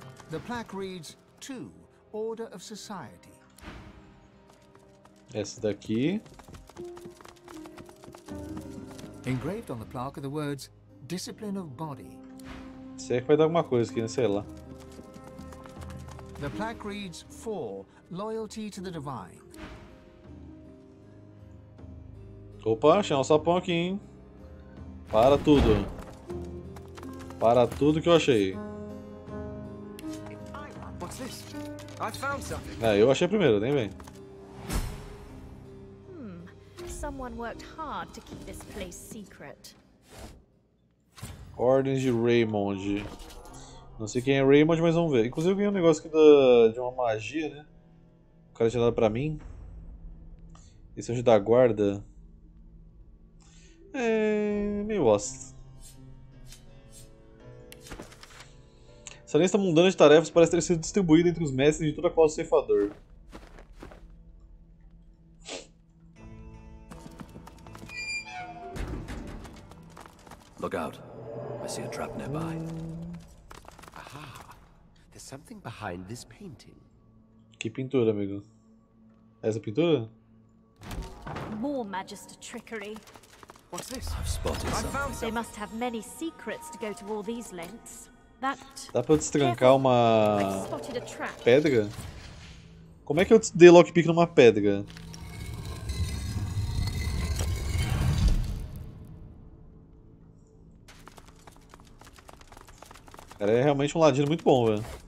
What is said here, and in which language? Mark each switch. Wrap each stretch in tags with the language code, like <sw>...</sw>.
<en>The plaque reads two order of society.</en> <pt>Essa daqui.</pt> <en>Engraved on the plaque are the words discipline of body.</en> <pt>Se é que vai dar alguma coisa aqui, não sei lá.</pt> <en>The plaque reads four loyalty to the divine.</en> <pt>Opa, achei um sapão aqui, hein? Para tudo. Para tudo que eu achei.</pt> <en>What's this? I found something.</en> <pt>Ah, eu achei primeiro, nem vem.</pt> <en>Someone worked hard to keep this place secret.</en> <pt>Ordens de Raymond. Não sei quem é Raymond, mas vamos ver. Inclusive eu ganhei um negócio aqui de uma magia, né? O cara tinha dado pra mim. Esse anjo da guarda. É meio bosta. Essa lista mundana de tarefas parece ter sido distribuída entre os mestres de toda a classe ceifador.</pt> <en>Look out. I see a trap nearby. Aha. There's something behind this painting.</en> <pt>Que pintura, amigo? Essa pintura?</pt> <en>More magister trickery. What's this? I've spotted something. They must have many secrets to go to all these lengths. That...</en> <pt>Dá pra destrancar uma pedra? Como é que eu dei lockpick numa pedra? Cara, é realmente um ladino muito bom, velho.</pt>